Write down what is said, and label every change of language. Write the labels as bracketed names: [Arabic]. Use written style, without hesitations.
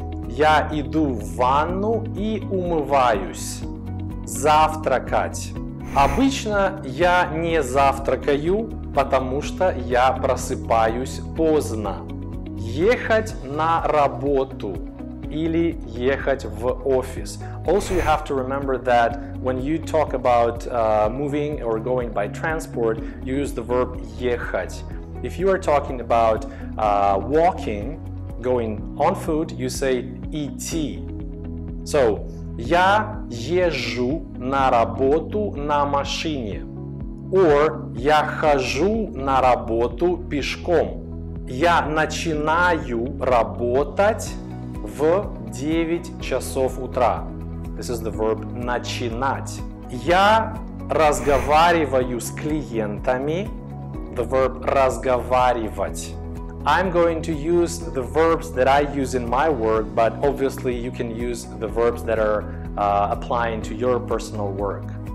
[Russian] Я иду в ванну и умываюсь. Завтракать. Обычно я не завтракаю, потому что я просыпаюсь поздно. Ехать на работу или ехать в офис. [English] Also, you have to remember that when you talk about moving or going by transport, you use the verb ехать. If you are talking about walking, going on foot, you say идти. [Russian] So, я езжу на работу на машине. Or, я хожу на работу пешком. Я начинаю работать в 9 часов утра. [English] This is the verb начинать. [Russian] Я разговариваю с клиентами. [English] The verb разговаривать. I'm going to use the verbs that I use in my work, but obviously you can use the verbs that are applying to your personal work.